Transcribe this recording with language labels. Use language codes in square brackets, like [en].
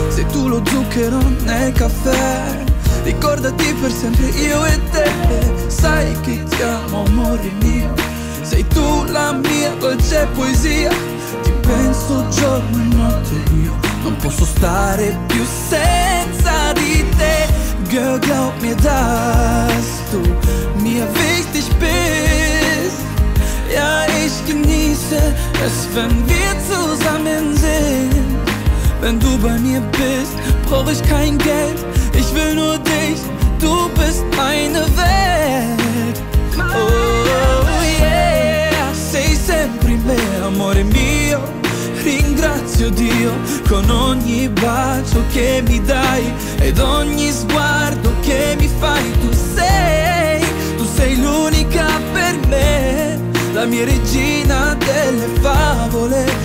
[it] Sei tu lo zucchero nel caffè, ricordati per sempre io e te. Sai che ti amo, amore mio. Sei tu la mia dolce poesia. Ti penso giorno e notte io. Non posso stare più senza di te. [de] Girl, glaub mir, dass du mir wichtig bist. Ja, ich genieße es, wenn wir zusammen sind. Wenn du bei mir bist, brauch ich kein Geld. Ich will nur dich, du bist meine Welt. [en] Oh yeah, [it] sei sempre me, amore mio. Ringrazio Dio con ogni bacio che mi dai ed ogni sguardo che mi fai. Tu sei l'unica per me, la mia regina delle favole.